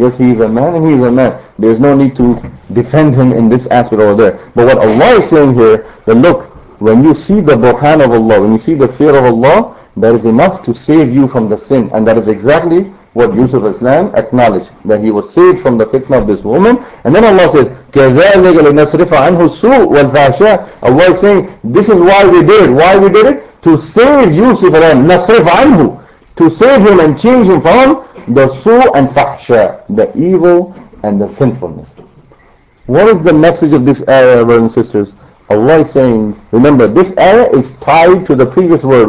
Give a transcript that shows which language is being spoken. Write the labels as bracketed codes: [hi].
[en] Yes, he is a man and he is a man. There is no need to defend him in this aspect over there. But what Allah is saying here, that look, when you see the burhan of Allah, when you see the fear of Allah, that is enough to save you from the sin. And that is exactly what Yusuf al-Islam acknowledged, that he was saved from the fitna of this woman. And then Allah says, [ar] كَذَلَّكَ لِنَصْرِفَ عَنْهُ السُّوءَ وَالْفَحْشَاءَ. [en] Allah is saying, this is why we did it. Why we did it? To save Yusuf al-Islam, [ar] نَصْرِفَ عَنْهُ. [en] To save him and change him from the su' and fahsha, the evil and the sinfulness. What is the message of this era, brothers and sisters? Allah is saying, remember, this era is tied to the previous word.